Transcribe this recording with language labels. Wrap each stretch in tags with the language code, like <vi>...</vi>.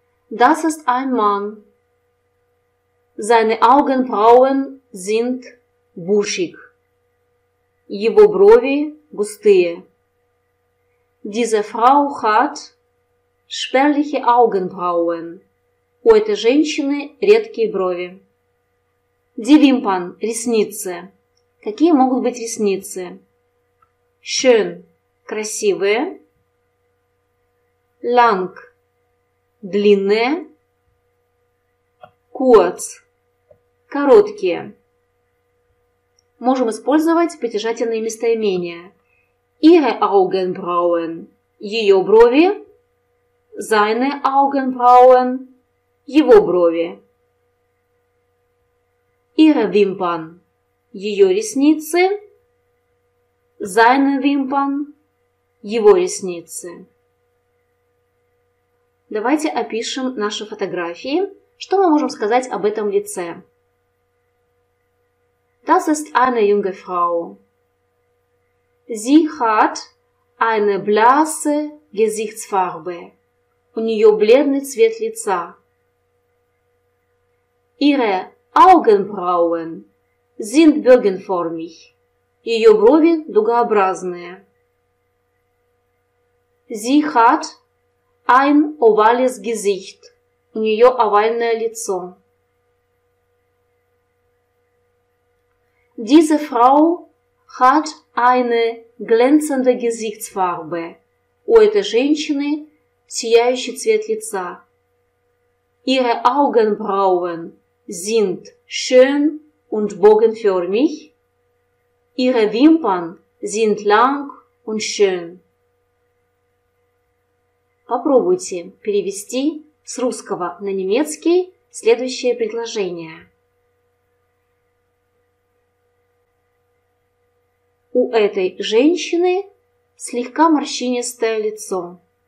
<de>Das ist ein Mann. Seine Augenbrauen sind buschig.</de> <ru>Его брови густые.</ru> <de>Diese Frau hat spärliche Augenbrauen.</de> <ru>У этой женщины редкие брови.</ru> <de>Die Wimpern – ресницы.</de> <ru>Какие могут быть ресницы? Schön – красивые.</ru> <de>Lang – длинные. Kurz – короткие.</de> <ru>Можем использовать притяжательные местоимения.</ru> <de>Ihre Augenbrauen</de> <ru>– ее брови.</ru> <de>Seine Augenbrauen –</de> <ru>его брови.</ru> <de>Ihre Wimpern –</de> <ru>ее ресницы.</ru> <de>Seine Wimpern –</de> <ru>его ресницы. Давайте опишем наши фотографии. Что мы можем сказать об этом лице?</ru> <de>Das ist eine junge Frau. Sie hat eine blasse Gesichtsfarbe.</de> <ru>У нее бледный цвет лица.</ru> <de>Ihre Augenbrauen sind bogenförmig.</de> <ru>Ее брови дугообразные.</ru> <de>Sie hat ein ovales Gesicht.</de> <ru>У нее овальное лицо.</ru> <de>Diese Frau hat eine glänzende Gesichtsfarbe.</de> <ru>У этой женщины сияющий цвет лица.</ru> <de>Ihre Augenbrauen sind schön und bogenförmig. Ihre Wimpern sind lang und schön.</de> <ru>Попробуйте перевести с русского на немецкий следующее предложение. У этой женщины слегка морщинистое лицо.</ru>